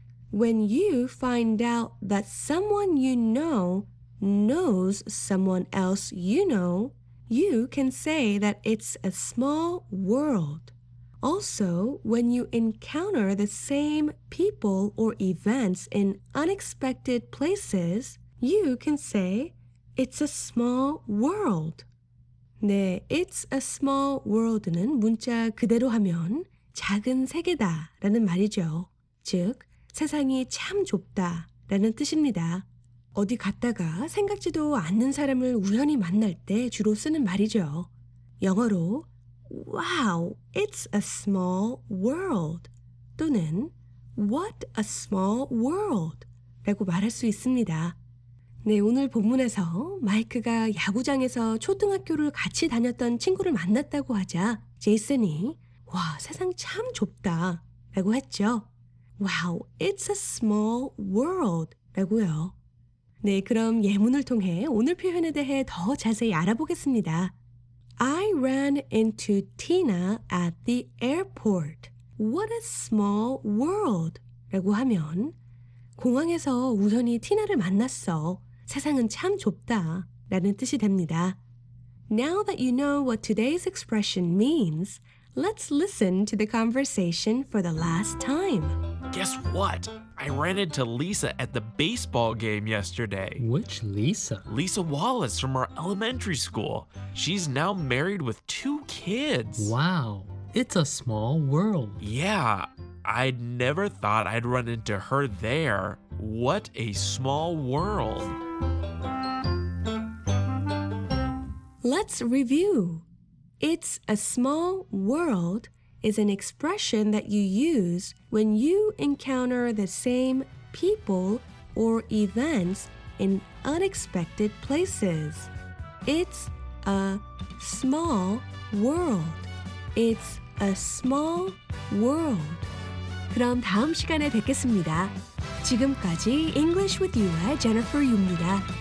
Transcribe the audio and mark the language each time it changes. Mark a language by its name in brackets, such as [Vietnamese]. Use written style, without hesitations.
[English] When you find out that someone you know knows someone else you know, you can say that it's a small world. Also, when you encounter the same people or events in unexpected places, you can say it's a small world. [Korean] 네, [English] it's a small world [Korean] 는 문자 그대로 하면 작은 세계다 라는 말이죠. 즉, 세상이 참 좁다 라는 뜻입니다. 어디 갔다가 생각지도 않는 사람을 우연히 만날 때 주로 쓰는 말이죠. 영어로 [English] Wow, it's a small world [Korean] 또는 [English] What a small world [Korean] 라고 말할 수 있습니다. 네, 오늘 본문에서 마이크가 야구장에서 초등학교를 같이 다녔던 친구를 만났다고 하자 제이슨이 와, 세상 참 좁다 라고 했죠. Wow, it's a small world 라고요. 네, 그럼 예문을 통해 오늘 표현에 대해 더 자세히 알아보겠습니다. [English] I ran into Tina at the airport. What a small world [Korean] 라고 하면 공항에서 우연히 티나를 만났어. 세상은 참 좁다 라는 뜻이 됩니다. [English] Now that you know what today's expression means, let's listen to the conversation for the last time. Guess what? I ran into Lisa at the baseball game yesterday. Which Lisa? Lisa Wallace from our elementary school. She's now married with two kids. Wow, it's a small world. Yeah, I never thought I'd run into her there. What a small world. Let's review. It's a small world is an expression that you use when you encounter the same people or events in unexpected places. It's a small world. It's a small world. [Korean] 그럼 다음 시간에 뵙겠습니다. 지금까지 English with You의 Jennifer Yu입니다.